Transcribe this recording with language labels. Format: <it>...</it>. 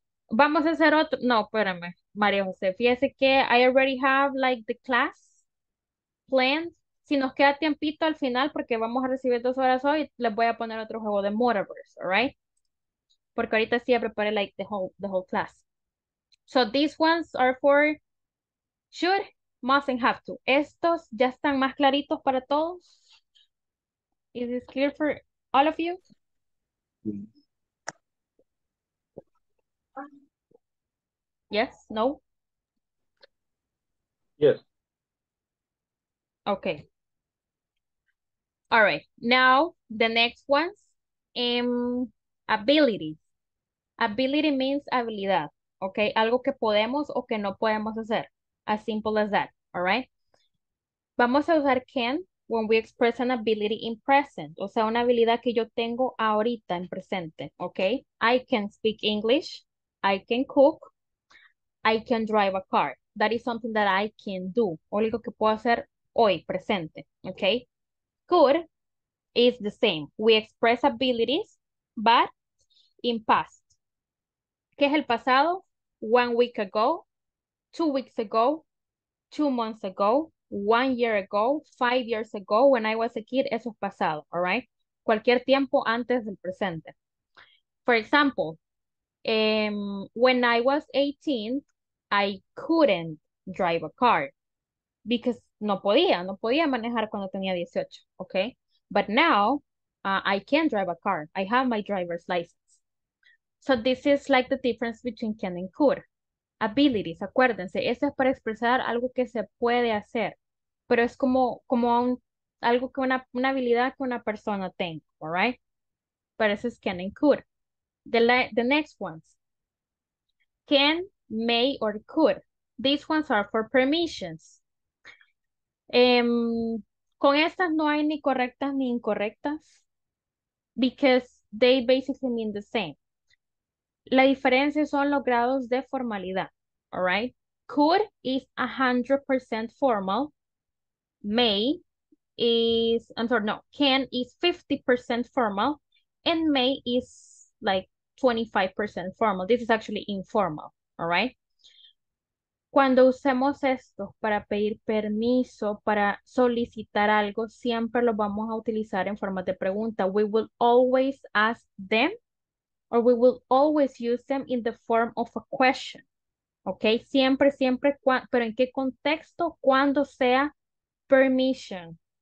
<es>Vamos a hacer otro. No, espérame, María José. Fíjese que</es> <en>I already have like the class planned.</en> <es>Si nos queda tiempito al final, porque vamos a recibir 2 horas hoy, les voy a poner otro juego de Motorverse, all right? Porque ahorita sí ya preparé</es> <en>like the whole class. So these ones are for should, must, and have to.</en> <es>¿Estos ya están más claritos para todos?</es> <en>Is this clear for all of you? Yes? No? Yes. Okay. All right. Now, the next ones. Abilities.</en> <es>Ability means habilidad, ¿ok? Algo que podemos o que no podemos hacer.</es> <en>As simple as that, all right?</en> <es>Vamos a usar</es> <en>can when we express an ability in present.</en> <es>O sea, una habilidad que yo tengo ahorita en presente, okay?</es> <en>I can speak English. I can cook. I can drive a car. That is something that I can do.</en> <es>O lo que puedo hacer hoy, presente, okay?</es> <en>Could is the same. We express abilities, but in past.</en> <es>¿Qué es el pasado?</es> <en>1 week ago, 2 weeks ago, 2 months ago, 1 year ago, 5 years ago, when I was a kid,</en> <es>eso es pasado,</es> <en>all right?</en> <es>Cualquier tiempo antes del presente.</es> <en>For example, when I was 18, I couldn't drive a car because</en> <es>no podía manejar cuando tenía 18,</es> <en>okay? But now, I can drive a car. I have my driver's license. So this is like the difference between can and could.</en> <es>Abilities, acuérdense, eso es para expresar algo que se puede hacer, pero es como un, algo que una habilidad que una persona tenga, all right?</es> <en>But this is can and could. The next ones, can, may, or could. These ones are for permissions.</en> <es>Con estas no hay ni correctas ni incorrectas,</es> <en>because they basically mean the same.</en> <es>La diferencia son los grados de formalidad, all right?</es> <en>Could is 100% formal. Can is 50% formal. And may is like 25% formal. This is actually informal, all right?</en> <es>Cuando usemos esto para pedir permiso, para solicitar algo, siempre lo vamos a utilizar en forma de pregunta.</es> <en>We will always ask them, or we will always use them in the form of a question.</en> <es>Okay, siempre, siempre, pero en qué contexto, cuando sea permission.</es>